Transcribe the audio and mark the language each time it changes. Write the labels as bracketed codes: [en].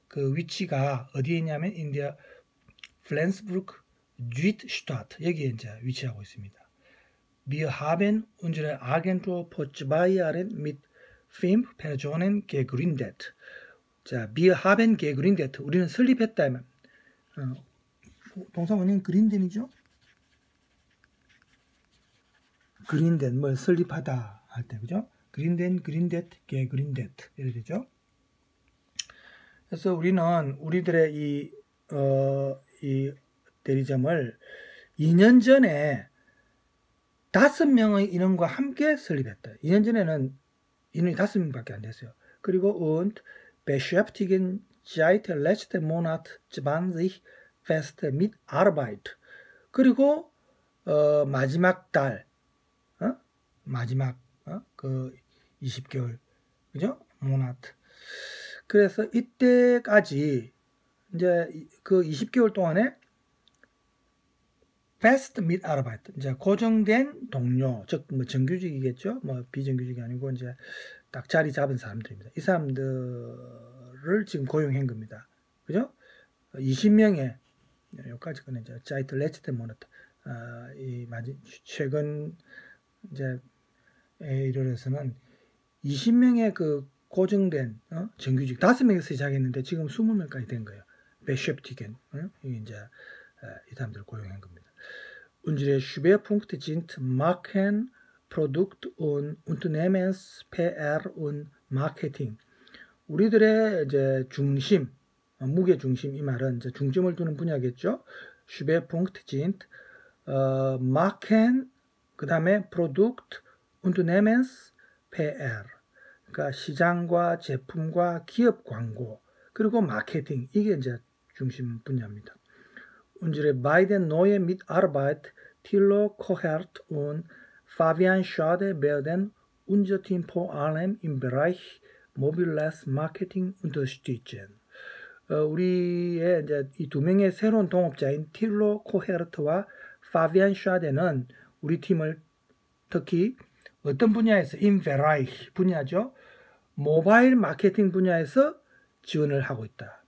[ko] 그 위치가 어디에 있냐면 인디아 플랜스부르크 쥐트슈타트 여기에 이제 위치하고 있습니다. [de] Wir haben unsere Agentur vor 2 Jahren mit 5 Personen gegründet. 자, wir haben gegründet. [ko] 우리는 설립했다면 동사 원형 그린덴이죠? 그린덴 뭐 설립하다 할 때 그죠? 그린덴, 그린덴, 게그린덴 이렇게 되죠. 그래서 우리는 우리들의 이 대리점을 2년 전에 5명의 인원과 함께 설립했다. 2년 전에는 인원이 5명밖에 안 됐어요. 그리고 [de] und beschäftigen seit letzten Monat 20 feste mit Arbeit. [ko] 그리고 마지막 달 마지막 그 20개월 그죠? [de] Monat. [ko] 그래서 이때까지 이제 그 20개월 동안에 [de] fest mit Arbeit. [ko] 이제 고정된 동료, 즉 뭐 정규직이겠죠? 뭐 비정규직이 아니고 이제 딱 자리 잡은 사람들입니다. 이 사람들을 지금 고용한 겁니다. 그죠? 20명의 여기까지 끝낸 이제 자이트 레츠트 모나트. 이 맞이 최근 이제 이르러서는 20명의 그 고정된 정규직 5명에서 시작했는데 지금 20명까지 된 거예요. 베셰프티겐 이제 이 사람들을 고용한 겁니다. [de] Unsere Schwerpunkte sind Marken, Produkt und Unternehmens PR und Marketing. [ko] 우리들의 이제 중심 무게 중심 이 말은 이제 중점을 두는 분야겠죠. [de] Schwerpunkt sind Marken, [ko] 그 다음에 Produkt Unternehmens PR, 그러니까 시장과 제품과 기업 광고 그리고 마케팅 이게 이제 중심 분야입니다. [de] Unsere beiden neue Mitarbeit Thilo Kohert und Fabian Schade werden unser Team vor allem im Bereich Mobiles Marketing unterstützen. [ko] 우리의 이제 이 두 명의 새로운 동업자인 Thilo Kohert와 Fabian Schade는 우리 팀을 특히 어떤 분야에서 인베라이 분야죠. 모바일 마케팅 분야에서 지원을 하고 있다.